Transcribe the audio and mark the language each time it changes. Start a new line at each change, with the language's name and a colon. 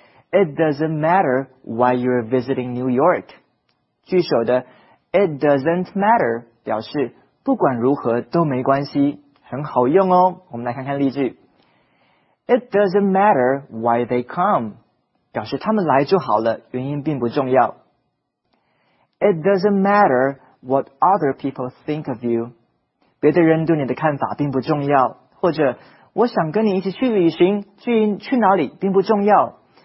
English: It doesn't matter why you're visiting New York.
Chinese: 句首的
English: It doesn't matter
Chinese: 表示不管如何都没关系，很好用哦。我们来看看例句。
English: It doesn't matter why they come.
Chinese: 表示他们来就好了，原因并不重要。
English: It doesn't matter what other people think of you.
Chinese: 别的人对你的看法并不重要。或者我想跟你一起去旅行，去哪里并不重要。